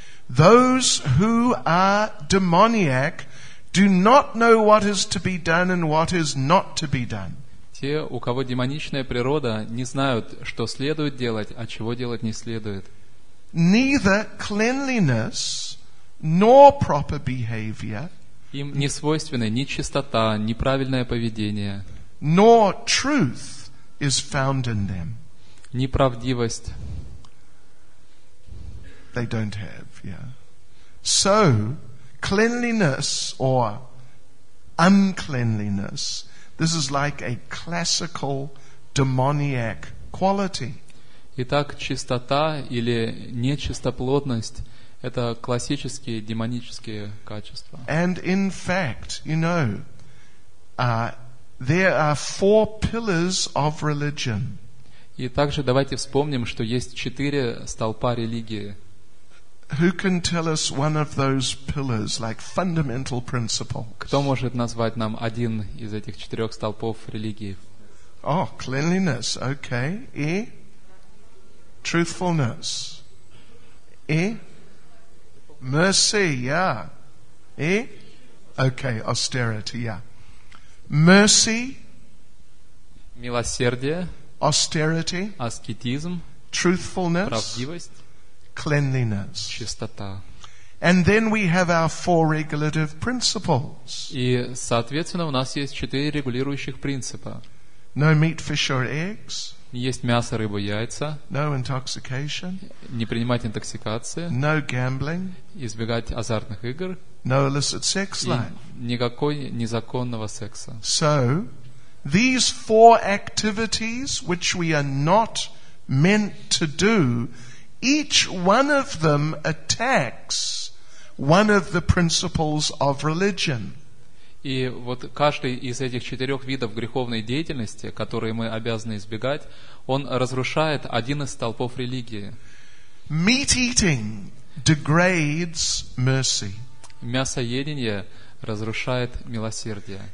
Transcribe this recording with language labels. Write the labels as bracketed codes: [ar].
[en] Those who are demoniac do not know what is to be done and what is not to be done. [ru] те, у кого демоничная природа, не знают, что следует делать, а чего делать не следует. [en] Neither cleanliness nor proper behavior, [ru] им не свойственны ни чистота, ни правильное поведение, [en] nor truth is found in them. [ru] Ни правдивость. [en] They don't have, yeah. So, cleanliness or uncleanliness, this is like a classical demoniac quality. [ru] Итак, чистота или нечистоплотность – это классические демонические качества. [en] And in fact, you know, there are four pillars of religion. [ru] И также давайте вспомним, что есть четыре столпа религии. [en] Who can tell us one of those pillars, like fundamental principles? [ru] Кто может назвать нам один из этих четырех столпов религии? [en] Oh, cleanliness, okay. И truthfulness. И mercy, yeah. И okay, austerity, yeah. Mercy. [ru] Милосердие. [en] Austerity. [ru] Аскетизм. [en] Truthfulness. [ru] Правдивость. [en] Cleanliness. [ru] Чистота. [en] And then we have our four regulative principles. [ru] И, соответственно, у нас есть четыре регулирующих принципа. [en] No meat, fish or eggs. [ru] Есть мясо, рыба, яйца. [en] No intoxication. [ru] Не принимать интоксикации. [en] No gambling. [ru] Избегать азартных игр. [en] No illicit sex life. [ru] И никакой незаконного секса. [en] So, these four activities, which we are not meant to do, each one of them attacks one of the principles of religion. [ru] И вот каждый из этих четырех видов греховной деятельности, которые мы обязаны избегать, он разрушает один из столпов религии. [en] Meat eating degrades mercy. [ru] Мясоедение разрушает милосердие.